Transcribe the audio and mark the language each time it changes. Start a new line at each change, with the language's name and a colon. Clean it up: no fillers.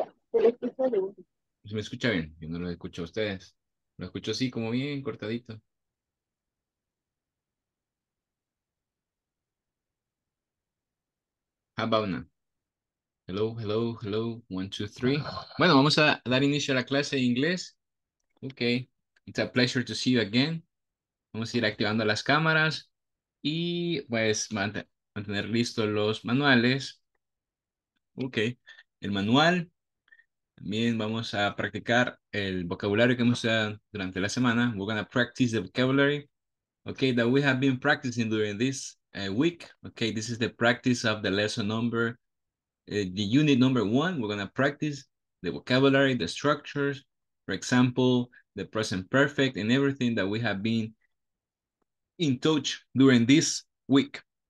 Spanish: Pues me escucha bien. Yo no lo escucho a ustedes. Lo escucho así, como bien cortadito.
English: How about now? Hello, hello, hello, 1, 2, 3.
Spanish: Bueno, vamos a dar inicio a la clase de inglés.
English: Okay, it's a pleasure to see you again.
Spanish: Vamos a ir activando las cámaras y pues mantener listos los manuales. Okay, el manual. También vamos a practicar el vocabulario que hemos dado durante la semana.
English: We're gonna practice the vocabulary. Okay, that we have been practicing during this week. Okay, this is the practice of the lesson number. The unit number one, we're going to practice the vocabulary, the structures, for example, the present perfect and everything that we have been in touch during this week.